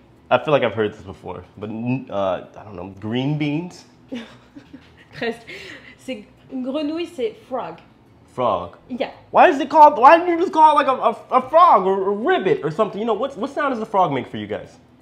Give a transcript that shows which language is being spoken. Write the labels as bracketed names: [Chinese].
[English] I feel like I've heard this before, but I don't know. Green beans? [French] Presque. C'est, une grenouille, c'est frog. [English] Frog. Yeah. Why is it called? Why didn't you just call it like a frog or a ribbit or something? You know what sound does a frog make for you guys?